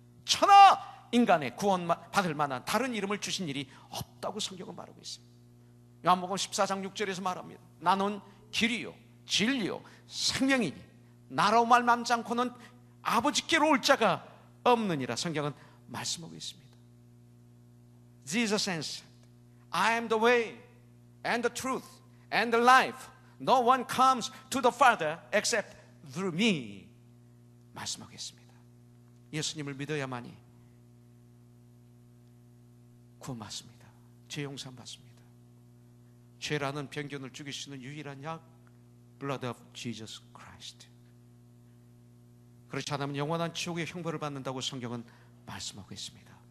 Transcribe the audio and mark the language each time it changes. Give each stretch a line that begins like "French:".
Korean: 천하 인간의 구원 받을 만한 다른 이름을 주신 일이 없다고 성경은 말하고 있습니다. 요한복음 14장 6절에서 말합니다. 나는 길이요 진리요 생명이니 나로 말미암지 않고는 아버지께로 올 자가 없느니라 성경은 말씀하고 있습니다.
English: Jesus answered, I am the way and the truth and the life. No one comes to the Father except through me.
Korean: 말씀하겠습니다. 예수님을 믿어야만이 구원 받습니다. 죄 용서 받습니다. 죄라는 병균을 죽일 수 있는 유일한 약
English: Blood of Jesus Christ.
Korean: 그렇지 않으면 영원한 지옥의 형벌을 받는다고 성경은 말씀하고 있습니다.